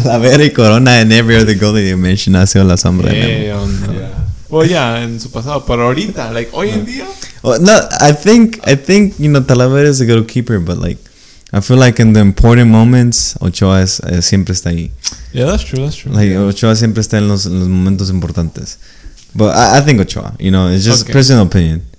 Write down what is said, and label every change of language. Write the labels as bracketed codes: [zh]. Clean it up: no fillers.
[en] Talavera y Corona and every other goal that you mentioned has been [es] la sombra de Memo. [en] Yeah. Well, yeah, [es] en su pasado, pero ahorita, like hoy en día. [en] I think you know Talavera is a good keeper, but like, I feel like in the important moments, Ochoa [es] es siempre está ahí. [en] Yeah, that's true. Like yeah. [es] Ochoa siempre está en los momentos importantes. [en] But I think Ochoa, you know, it's just personal opinion.